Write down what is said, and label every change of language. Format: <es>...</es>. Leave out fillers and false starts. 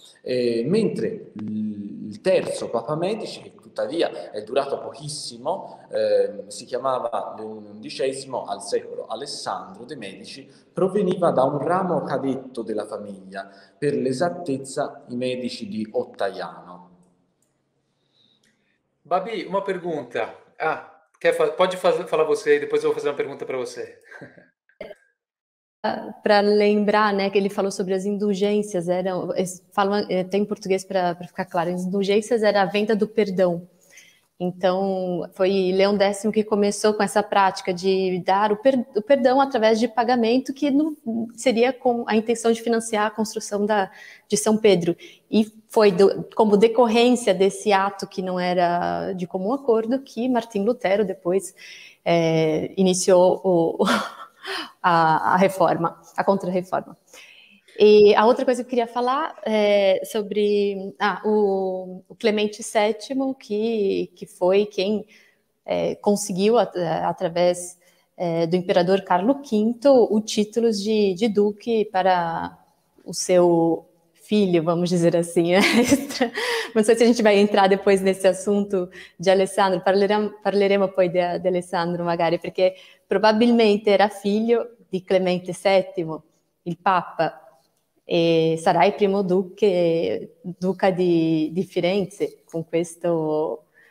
<it>Mentre il terzo papa medici, che tuttavia è durato pochissimo, si chiamava XI al secolo Alessandro de' Medici, proveniva da un ramo cadetto della famiglia, per l'esattezza i Medici di Ottaiano.</it> <pt>Babi, una pergunta. Ah, che fa, pode falar a você, depois eu vou fazer uma pergunta para você. Para lembrar, né, que ele falou sobre as indulgências, tem em português para ficar claro, as indulgências era a venda do perdão. Então, foi Leão X que começou com essa prática de dar o perdão através de pagamento, que não, seria com a intenção de financiar a construção de São Pedro. E foi como decorrência desse ato, que não era de comum acordo, que Martim Lutero depois iniciou a reforma, a contra-reforma. E a outra coisa que eu queria falar é sobre o Clemente VII, que foi quem conseguiu, através do imperador Carlo V, o título de duque para o seu filho, vamos dizer assim. Não sei se a gente vai entrar depois nesse assunto de Alessandro,</pt> <it>parleremo poi de Alessandro magari,</it> <pt>porque</pt> <it>probabilmente era filho di Clemente VII, il Papa, e sarà il primo duca di Firenze con questo</it>